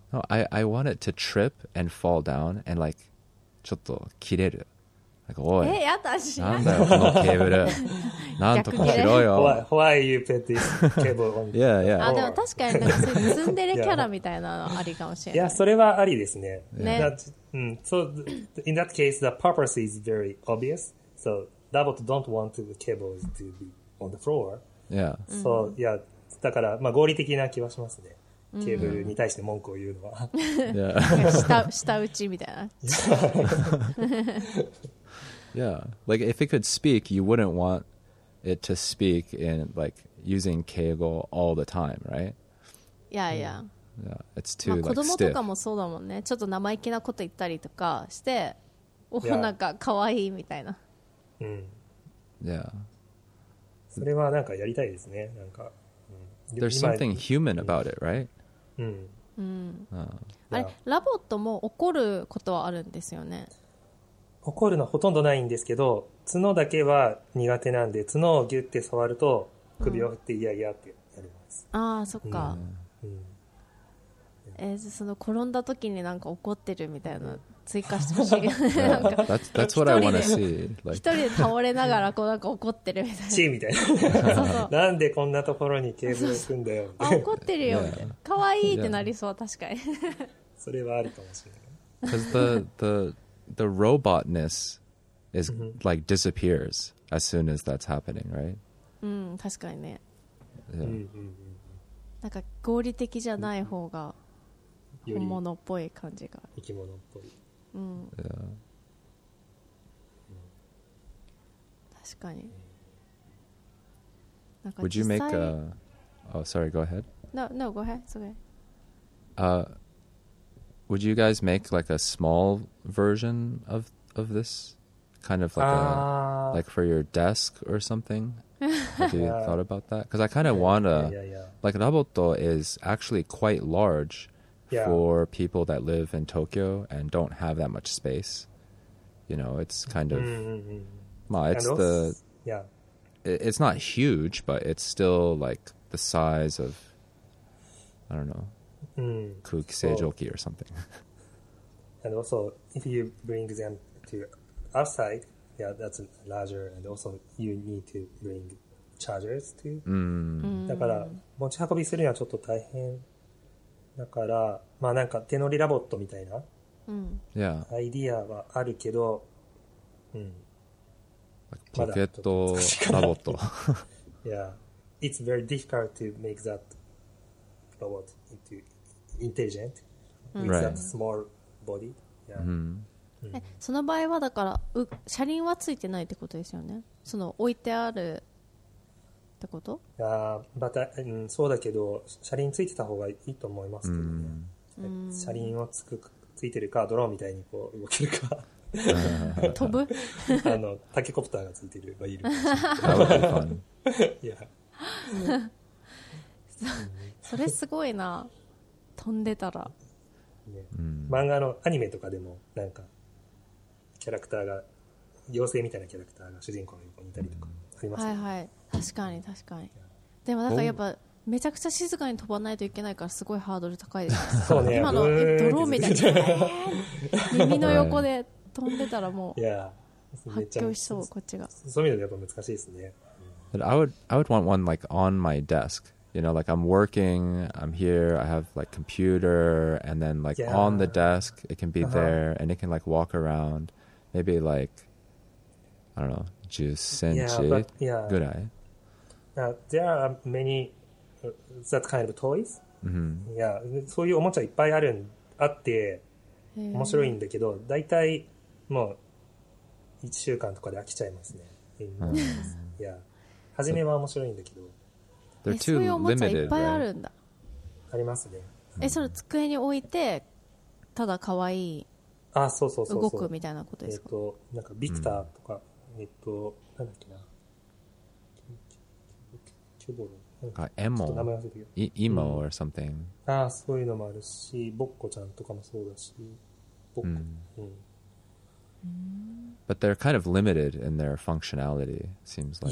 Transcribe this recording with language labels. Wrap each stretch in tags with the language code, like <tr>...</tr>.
<en>No, I want it to trip and fall down and like</en> <ja>ちょっと切れる。</ja> <en>Like,</en> <ja>おい。やだし。なんだよこのケーブル。なんとかしろよ。</ja> <en>Why are you put this cable on? Yeah, yeah.</en> <ja>あでも確かになんかツンデレキャラみたいなのありかもしれない。いやそれはありですね。ね。</ja> <en>So in that case, the purpose is very obvious. So, Dabot don't want the cables to be on the floor. Yeah. So, yeah.</en> <ja>だから、まあ、合理的な気はしますね。ケーブルに対して文句を言うのは。下打ちみたいな。</ja> <en>Yeah. Like, if it could speak, you wouldn't want it to speak in, like, using cable all the time, right? Yeah, yeah. Yeah. It's too, like, stiff.</en> <ja>子供とかもそうだもんね。ちょっと生意気なこと言ったりとかして、お、なんか、かわいいみたいな。それはなんかやりたいですね。なんか、</ja> <en>There's something human about it, right?</en> <ja>あれ、ラボットも怒ることはあるんですよね。怒るのほとんどないんですけど、角だけは苦手なんで、角をギュッて触ると首を振っていやいやってやります。ああ、そっか。その転んだ時になんか怒ってるみたいな。追加してほしい。</ja> <en>That's what I want to see.</en> <ja>一人で倒れながらこうなんか怒ってるみたいな。チーみたいな。なんでこんなところにケーブル置くんだよ。怒ってるよ。可愛いってなりそう確かに。それはあるかもしれない。</ja> <en>Because the robotness is like disappears as soon as that's happening, right?</en> <ja>確かにね。なんか合理的じゃない方が本物っぽい感じが。生き物っぽい。確かに。</ja> <en>Would you make a? Oh, sorry. Go ahead. No, go ahead. It's okay. Would you guys make like a small version of this, kind of like a like for your desk or something? Have you thought about that? Because I kind of want to. Like Naboto is actually quite large. For people that live in Tokyo and don't have that much space, you know, it's kind of, it's not huge, but it's still like the size of, I don't know, kuki seijoki or something. And also, if you bring them to outside, that's larger, and also you need to bring chargers too.</en> <ja>だから持ち運びするにはちょっと大変。だからまあなんか手乗りラボットみたいな、</ja> <en>yeah.</en> <ja>アイディアはあるけど、 like、ポケットラボット。</ja> <en>yeah, it's very difficult to make that robot into intelligent with that small body. Yeah.</en> <ja>その場合はだから車輪はついてないってことですよね。その置いてあるってこと？いや、また、うん、そうだけど車輪ついてた方がいいと思いますけどね。車輪をつくついてるかドローンみたいにこう動けるか飛ぶあのタケコプターがついてるバイルそれすごいな飛んでたら、ね、漫画のアニメとかでもなんかキャラクターが妖精みたいなキャラクターが主人公の横にいたりとかありますね。はいはい、確かに確かに。でもなんかやっぱめちゃくちゃ静かに飛ばないといけないからすごいハードル高いです。そう、ね、今のドローンみたいな耳の横で飛んでたらもう発狂しそう。こっちがそういう意味でやっぱ難しいですね。</ja> <en>But I would want one like on my desk. You know, like I'm working, I'm here, I have like computer, and then like yeah. on the desk, it can be there, and it can like walk around, maybe like, I don't know, 10 centimeters. Yeah, but yeah. Good eye. Now, there are many that kind of toys. Mm-hmm.</en> <ja>Yeah, そういうおもちゃいっぱいあるん、あって面白いんだけど、だいたいもう1週間とかで飽きちゃいますね。</ja> <en>Yeah.</en> <ja>初めは面白いんだけど、そういうおもちゃいっぱいあるんだ。ありますね。え、それ机に置いてただ可愛い、あ、そうそうそう、動くみたいなことですか？なんかビクターとか、うん、なんだっけな、キュボロ、あ、エモ、イモ</ja> <en>or something、</en> <ja>あ、そういうのもあるし、ボッコちゃんとかもそうだし、ボッコ、うん。</ja> <en>But they're kind of limited in their functionality, seems like.</en>